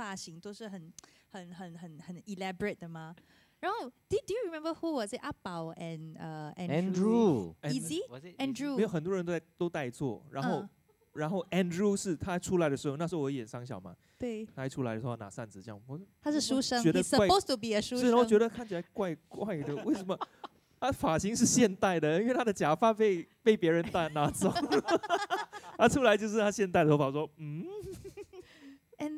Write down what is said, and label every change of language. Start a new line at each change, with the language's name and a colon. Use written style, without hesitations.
Chinese: 对是我们的发型设计师然后呢是春游是群戏很多人的然后有男男女女都是古装的古装的那些发型都是很
English: elaborate
Chinese: 的吗 然后
English: Do you remember who was it? 阿宝 and Andrew
Chinese: 没有很多人都在做然后 然后 Andrew 是他出来的时候，那时候我演三小嘛，他一出来的时候拿扇子这样，他是书生
English: ，He's supposed to be a
Chinese: 书生，然后觉得看起来怪怪的，为什么？他发型是现代的，因为他的假发被别人拿走，他出来就是他现代的头发，说嗯。And